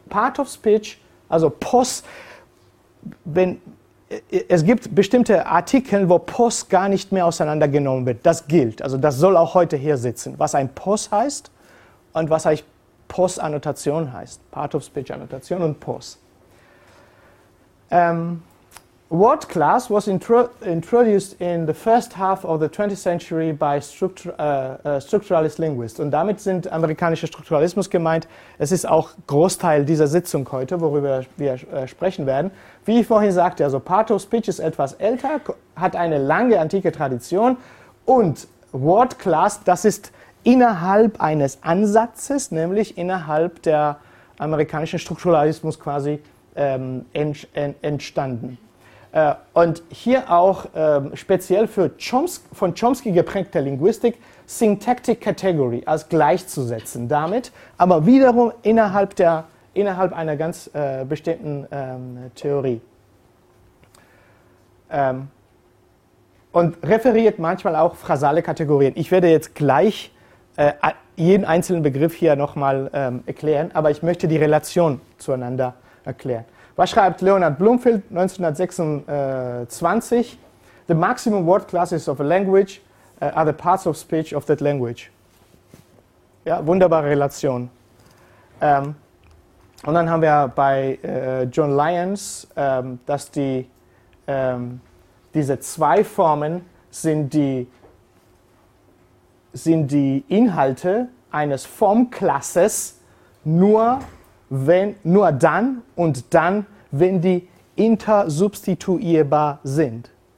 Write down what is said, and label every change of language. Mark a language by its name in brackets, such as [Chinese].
[German] Part of Speech, also Post, wenn, es gibt bestimmte Artikel, wo Post gar nicht mehr auseinandergenommen wird. Das gilt, also das soll auch heute hier sitzen, was ein Post heißt und was eigentlich Post-Annotation heißt. Part of Speech-Annotation und Post. [English] Word class was introduced in the first half of the 20th century by structuralist linguists. [German] Und damit sind amerikanische Strukturalismus gemeint. Es ist auch Großteil dieser Sitzung heute, worüber wir sprechen werden. Wie ich vorhin sagte, also Part of Speech ist etwas älter, hat eine lange antike Tradition. Und Word class, das ist innerhalb eines Ansatzes, nämlich innerhalb der amerikanischen Strukturalismus quasi entstanden. Und hier auch speziell für von Chomsky geprägte Linguistik, Syntactic Category als gleichzusetzen damit, aber wiederum innerhalb, innerhalb einer ganz bestimmten Theorie. Und referiert manchmal auch phrasale Kategorien. Ich werde jetzt gleich jeden einzelnen Begriff hier nochmal erklären, aber ich möchte die Relation zueinander erklären. Was schreibt Leonard Bloomfield 1926? [English] The maximum word classes of a language are the parts of speech of that language. [German] Ja, wunderbare Relation. Und dann haben wir bei John Lyons, dass die, diese zwei Formen sind die Inhalte eines Formklasses nur dann und dann, wenn die intersubstituierbar sind.